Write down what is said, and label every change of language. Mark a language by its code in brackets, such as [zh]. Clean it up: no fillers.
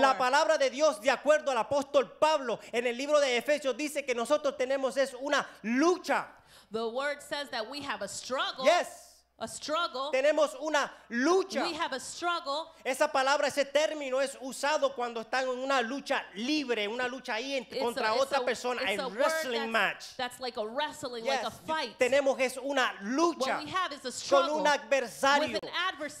[es] La palabra de Dios, de acuerdo al apóstol Pablo, en el libro de Efesios, dice que nosotros tenemos es una lucha. [en] The word says that we have a struggle. Yes. A struggle. [es] Tenemos una lucha. [en] We have a struggle. [es] Esa palabra, ese término es usado cuando están en una lucha libre, una lucha ahí contra otra persona, [en] a wrestling match. That's like a wrestling, yes. Like a fight. [es] Tenemos es una lucha. [en] What we have is a struggle [es] con un adversario [en] with an adversary